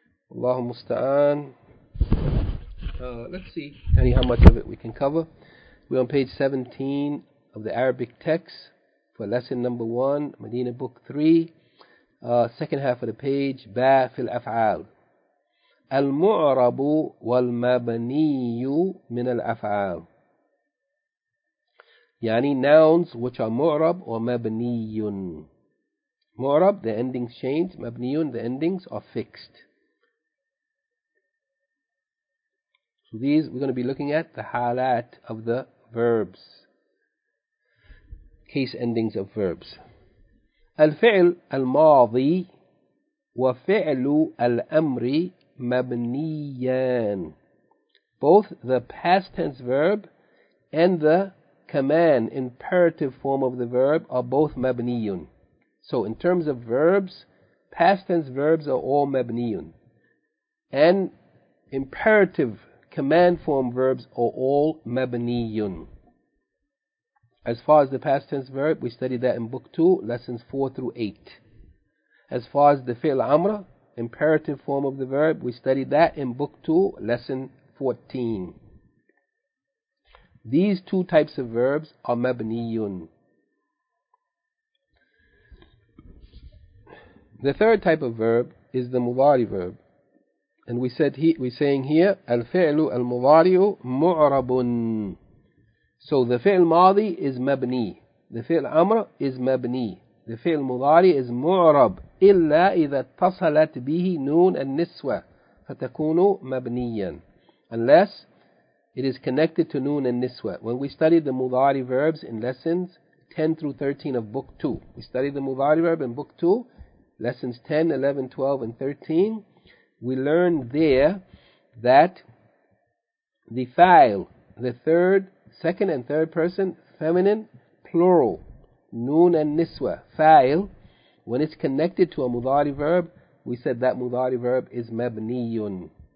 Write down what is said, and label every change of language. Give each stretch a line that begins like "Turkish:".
Arabic: Allahu musta'an.
English: Let's see any how much of it we can cover. We're on page 17 of the Arabic text for lesson number 1, Medina book 3. Second half of the page,
Arabic: باء في الأفعال. المعرب والمبني من الأفعال.
English: يعني nouns which are معرب ومبني. معرب, the endings change. مبني, the endings are fixed. These, we're going to be looking at the halat of the verbs, case endings of verbs.
Arabic: الفعل الماضي وفعل الأمر مبنيان.
English: Both the past tense verb and the command, imperative form of the verb, are both مبنيون. So in terms of verbs, past tense verbs are all مبنيون. And imperative command form verbs are all مبنيون. As far as the past tense verb, we studied that in book 2, lessons 4 through 8. As far as the فعل أمر, imperative form of the verb, we studied that in book 2, lesson 14. These two types of verbs are مبنيون. The third type of verb is the مضارع verb. And we said we're saying here,
Arabic: الفعل المضارع معرب.
English: So the فعل ماضي is مبني. The فعل أمر is مبني. The فعل مضارع is معرب.
Arabic: إلا إذا اتصلت به نون النسوة فتكون مبنيا.
English: Unless it is connected to نون النسوة. When we studied the مضارع verbs in lessons 10 through 13 of book 2. We studied the مضارع verb in book 2. Lessons 10, 11, 12, and 13. We learned there that the فاعل, the third, second and third person, feminine, plural, نون النسوة, فاعل, when it's connected to a مضارع verb, we said that مضارع verb is مبنيٌ.